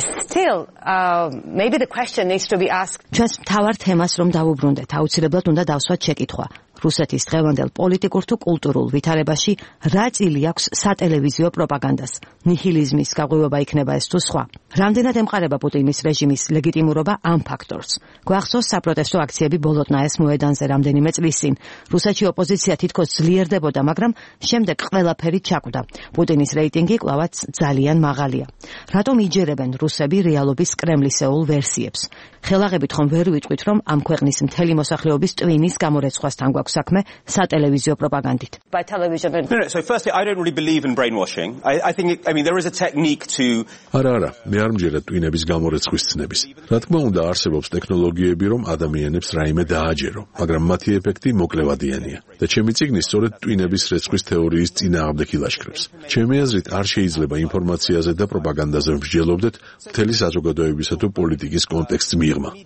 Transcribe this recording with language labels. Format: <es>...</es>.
<en>Still, maybe the question needs to be asked.</en> <ka>ჩვენს მთავარ თემას რომ დავუბრუნდეთ, აუცილებლად უნდა დავსვათ შეკითხვა. რუსეთის დღევანდელ პოლიტიკურ თუ კულტურულ ვითარებაში რა წილი აქვს სატელევიზიო პროპაგანდას? ნიჰილიზმის გაღვივება იქნება ეს თუ სხვა? რამდენად ემყარება პუტინის რეჟიმის ლეგიტიმურობა ამ ფაქტორს? გვახსოვს საპროტესტო აქციები ბოლოტნაეს მოედანზე რამდენიმე წლის წინ. რუსეთში ოპოზიცია თითქოს ძლიერდებოდა, მაგრამ შემდეგ ყველაფერი ჩაკვდა. პუტინის რეიტინგი კვლავაც ძალიან მაღალია. რატომ იჯერებენ რუსები რეალობის კრემლისეულ ვერსიებს? ხელაღებით ხომ ვერ ვიტყვით, რომ ამ ქვეყნის მთელი მოსახლეობის ტვინის გამორეცხვასთან გვაქვს საქმე სატელევიზიო პროპაგანდით?</ka> <en>So firstly, I don't really believe in brainwashing. I mean there is a technique to</en> <ka>Arara, მე არ მჯერა ტვინების გამორეცხვის ცნების. რა თქმა უნდა, არსებობს ტექნოლოგიები, რომ ადამიანებს რაიმე დააჯერო, მაგრამ მათი ეფექტი მოკლევადიანია. და ჩემი წიგნი სწორედ ტვინების რეცხვის თეორიის წინააღმდეგ ილაშქრებს. ჩემი აზრით, არ შეიძლება ინფორმაციაზე და პროპაგანდაზე ვბრჯელობდეთ მთელი საზოგადოებისა თუ პოლიტიკის კონტექსტის მიღმა.</ka>